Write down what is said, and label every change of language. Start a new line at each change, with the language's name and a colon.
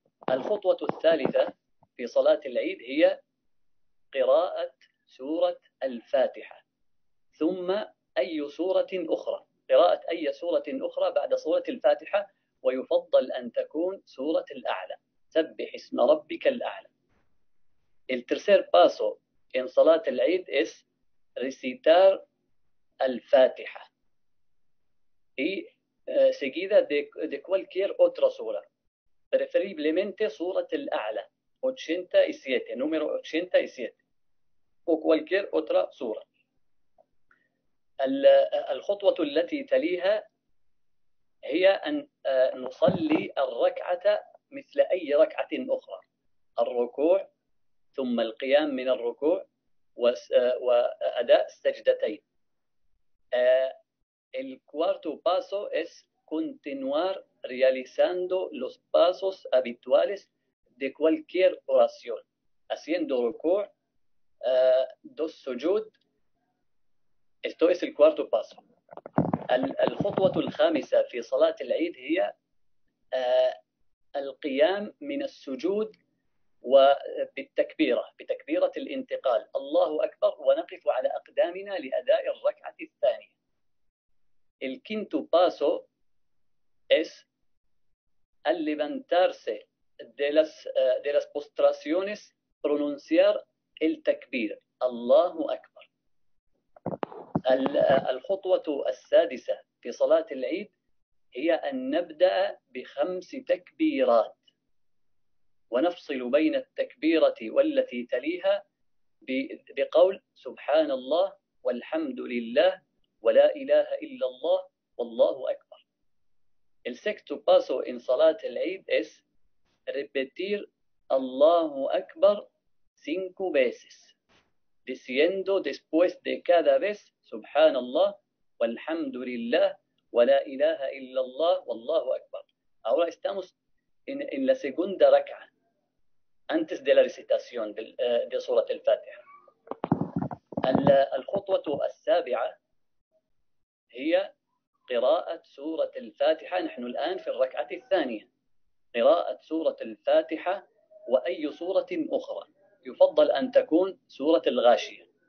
Arabic: الخطوة الثالثة في صلاة العيد هي قراءة سورة الفاتحة ثم أي سورة أخرى، قراءة أي سورة أخرى بعد سورة الفاتحة، ويفضل أن تكون سورة الأعلى، سبح اسم ربك الأعلى.
Spanish: El tercer paso en صلاة العيد es recitar الفاتحة y seguida de cualquier otra sura, preferiblemente سورة الأعلى 87 número 87 o cualquier otra sura.
Arabic: الخطوة التي تليها هي أن نصلي الركعة مثل أي ركعة أخرى، الركوع ثم القيام من الركوع وأداء السجدتين.
Spanish: El cuarto paso es continuar realizando los pasos habituales de cualquier oración, haciendo ركوع dos sujud. Esto es el cuarto paso.
Arabic: الخطوة الخامسة في صلاة العيد هي القيام من السجود وبالتكبيرة، بتكبيرة الانتقال الله أكبر، ونقف على أقدامنا لأداء الركعة الثانية.
Spanish: El quinto paso es al levantarse de las postraciones pronunciar el takbir
Arabic: الله أكبر. الخطوة السادسة في صلاة العيد هي أن نبدأ بخمس تكبيرات ونفصل بين التكبيرة والتي تليها بقول سبحان الله والحمد لله ولا إله إلا الله والله أكبر.
Spanish: El sexto paso en صلاة العيد es repetir
Arabic: الله أكبر
Spanish: cinco veces, diciendo después de cada vez
Arabic: سبحان الله والحمد لله ولا إله إلا الله والله أكبر.
Spanish: Ahora estamos en la segunda raka'a, antes de la recitación de Surat al-Fatiha.
Arabic: الخطوة السابعة هي قراءة سورة الفاتحة. نحن الآن في الركعة الثانية، قراءة سورة الفاتحة وأي سورة أخرى، يفضل أن تكون سورة الغاشية.